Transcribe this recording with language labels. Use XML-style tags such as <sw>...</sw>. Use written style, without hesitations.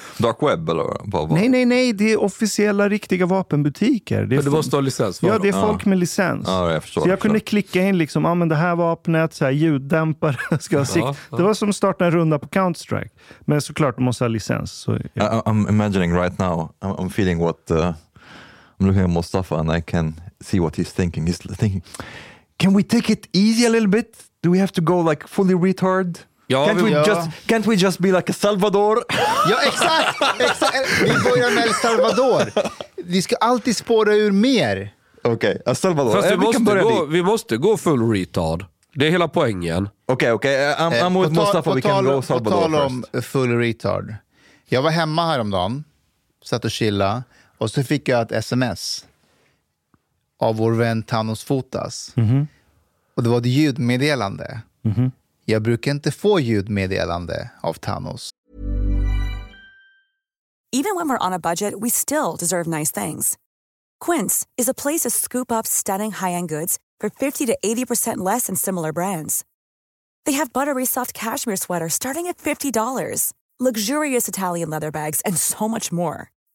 <sv>Dark web eller vad? Nej. Det är officiella riktiga vapenbutiker. Det, men du måste ha licens. Ja, det är folk med licens. Ja, jag förstår. Kunde klicka in liksom, ah, men det här vapnet, så här, ljuddämpare ska ha sikt. Ja. Det var som att starta en runda på Counter-Strike. Men såklart, du måste ha licens. Så,</sv> <en>ja. I'm imagining right now. I'm feeling what... I'm looking at Mustafa and I can see what he's thinking. He's thinking... Can we take it easy a little bit? Do we have to go like fully retard?</en> <sv>Ja,</sv> <en>can't we just be like a Salvador?</en> <sv>Ja, exakt. Vi börjar med Salvador. Vi ska alltid spåra ur mer.</sv> <en>Okej, okay, a Salvador.</en> <sv>Fast vi måste gå full retard. Det är hela poängen.</sv> <en>Okej. I'm with Mustafa, we can go Salvador</en> <sv>first. På tal om full retard. Jag var hemma häromdagen, satt och chilla, och så fick jag ett sms av vår vän Thanos Fotas. Mm-hmm. Och det var ett ljudmeddelande. Mm-hmm. Jag brukar inte få ljudmeddelande av Thanos.</sv> <en>Even when we're on a budget, we still deserve nice things. Quince is a place to scoop up stunning high-end goods for 50 to 80% less than similar brands. They have buttery soft cashmere sweaters starting at $50, luxurious Italian leather bags, and so much more.</en>